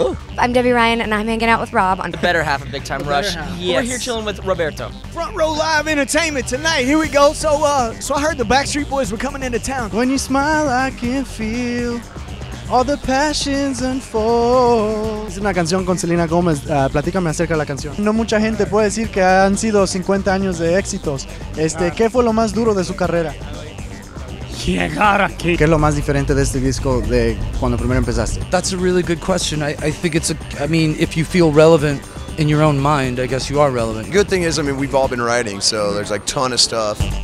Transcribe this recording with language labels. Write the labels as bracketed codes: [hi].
[en] Ooh. I'm Debbie Ryan, and I'm hanging out with Rob on the better half of Big Time Rush. Yes. We're here chilling with Roberto. Front Row Live Entertainment tonight. Here we go. So I heard the Backstreet Boys were coming into town. When you smile, I can feel all the passions unfold. [es] Es una canción con Selena Gomez. Platícame acerca de la canción. No mucha gente puede decir que han sido 50 años de éxitos. ¿Qué fue lo más duro de su carrera? Llegar aquí. ¿Qué es lo más diferente de este disco de cuando primero empezaste? [en] That's a really good question. I think if you feel relevant in your own mind, I guess you are relevant. Good thing is, I mean, we've all been writing, so there's like ton of stuff.